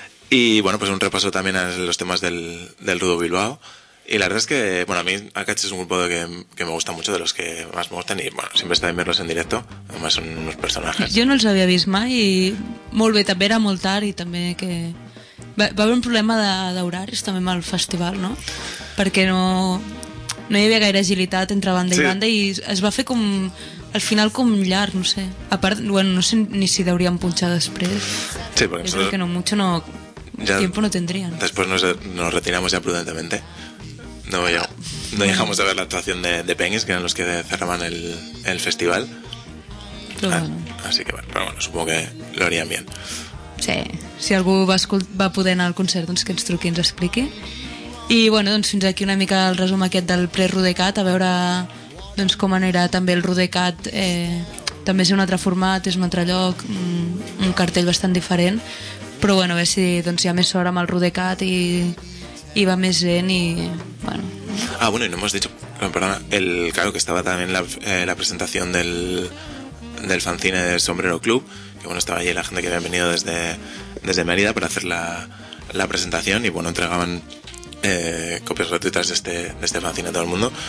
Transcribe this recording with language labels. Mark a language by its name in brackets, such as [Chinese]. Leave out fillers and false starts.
[Spanish] Y bueno, pues un repaso también a los temas del Rudo Bilbao. Y la verdad es que, bueno, a mí Akach es un grupo que me gusta mucho, de los que más me gustan, y bueno, siempre está bien verlos en directo, además son unos personajes. Yo no los había visto mai, y [Catalan] molt bé, també era molt tard, [Spanish] y también que... [Catalan] Va haver un problema d'horaris també amb el festival, no? Perquè no hi havia gaire agilitat entre banda, sí. I banda, i es va fer com... al final com llarg, no sé. A part, bueno, no sé ni si deuríem punxar després. Sí, perquè... Jo crec que no, [Spanish] mucho no... Ya tiempo no tendrían. Después nos retiramos ya prudentemente. No dejamos de ver la actuación de Penguins, que eran los que cerraban el festival. Pero bueno. Así que bueno, pero bueno, supongo que lo harían bien. [Catalan] Sí, si algú va poder anar al concert, doncs que ens truqui i ens expliqui. I bueno, doncs fins aquí una mica el resum aquest del pre-Rudecat, a veure doncs com anirà també el Rudecat. També és un altre format, és un altre lloc, un cartell bastant diferent. Però bueno, a veure si doncs hi ha més sort amb el Rudecat i va més gent i... bueno. [Spanish] Ah, bueno, y no hemos dicho, perdona, claro, que estaba también la presentación del fanzine del Sombrero Club, que bueno, estaba allí la gente que había venido desde Mérida para hacer la presentación y bueno, entregaban copias gratuitas de este fanzine a todo el mundo.